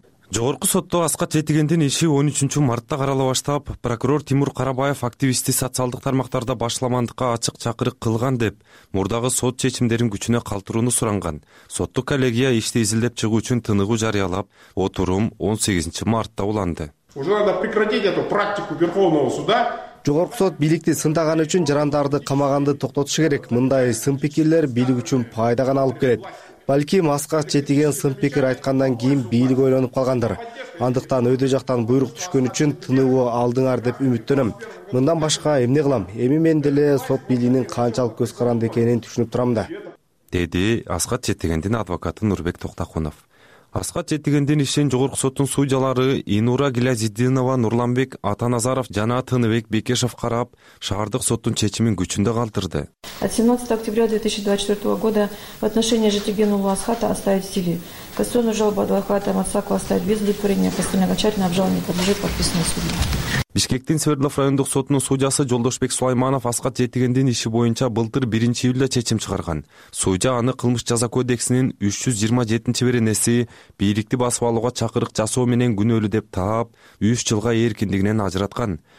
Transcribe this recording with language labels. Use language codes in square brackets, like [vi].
[ky] Жогорку сотто Аскат Жетигендин иши 13 мартта карала баштап, прокурор Тимур Карабаев активисти социалдык тармактарда башламандыкка ачык чакырык кылган деп, мурдагы сот чечимдерин күчүнө калтырууну суранган. Соттук коллегия ишти изилдеп чыгуу үчүн тыныгуу жарыялап, отурум 18 мартта уланды. [ru] Уже надо прекратить эту практику Верховного суда. [ky] Жогорку сот бийликти сындаганы үчүн жарандарды камаганды токтотушу керек. Мындай сын пикирлер бийлик үчүн пайда гана алып келет. Балким Аскат Жетиген сын пикир айткандан кийин бийлик ойлонуп калгандыр. Андыктан өйдө жактан буйрук түшкөн үчүн тыныгуу алдыңар деп үмүттөнөм. Мындан башка эмне кылам? Эми мен деле сот бийлигинин канчалык көз каранды экенин түшүнүп турам да. Деди Аскат Жетигендин адвокаты Нурбек Токтокунов. Аскат Жетигендин ишин Жогорку соттун судьялары Инура Гилязиддинова, Нурланбек Атаназаров жана Тыныбек Бекешев карап, шаардык соттун чечимин күчүндө калтырды. [ru] От 17 октября 2024 года в отношении Жетигенова Асхата оставить в силе. Кассационную жалобу адвоката Мацакова оставить без удовлетворения, постановление окончательное обжалование подлежит подписанному судье. [ky] Бишкектин Свердлов райондук сотунун судьясы Жолдошбек Сулайманов Аскат Жетигендин иши боюнча былтыр 1 июлда чечим чыгарган. Судья аны кылмыш жаза кодексинин 327 беренеси бийликти басып алууга чакырык жасоо менен күнөөлүү деп таап, 3 жылга эркиндигинен ажыраткан.